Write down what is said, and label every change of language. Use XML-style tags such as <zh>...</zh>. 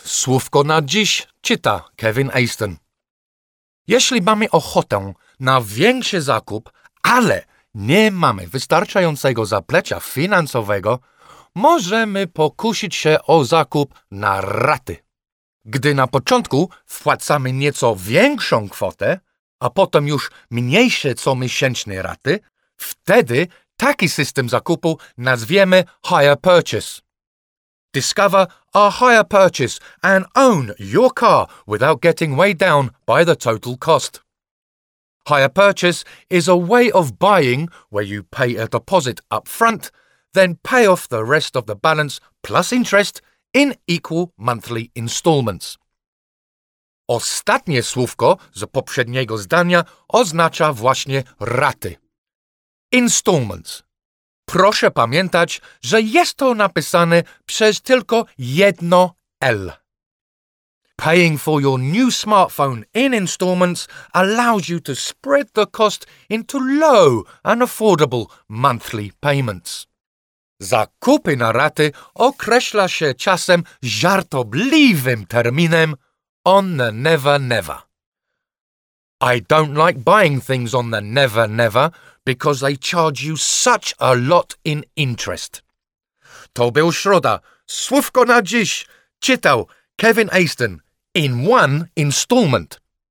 <pl>Słówko na dziś czyta Kevin Aston. Jeśli mamy ochotę na większy zakup, ale nie mamy wystarczającego zaplecza finansowego, możemy pokusić się o zakup na raty. Gdy na początku wpłacamy nieco większą kwotę, a potem już mniejsze comiesięczne raty, wtedy taki system zakupu nazwiemy hire purchase.</pl> <en>Discover a hire purchase and own your car without getting weighed down by the total cost. Hire purchase is a way of buying where you pay a deposit up front, then pay off the rest of the balance plus interest in equal monthly installments.</en> <pl>Ostatnie słówko z poprzedniego zdania oznacza właśnie raty. Installments. Proszę pamiętać, że jest to napisane przez tylko jedno L.</pl> <en>Paying for your new smartphone in installments allows you to spread the cost into low and affordable monthly payments.</en> <pl>Zakupy na raty określa się czasem żartobliwym terminem</pl> <en>on the never never. I don't like buying things on the never never because they charge you such a lot in interest.</en> <pl>To był środa. Słówko na dziś. Czytał Kevin Aston.</pl> <en>In one installment.</en>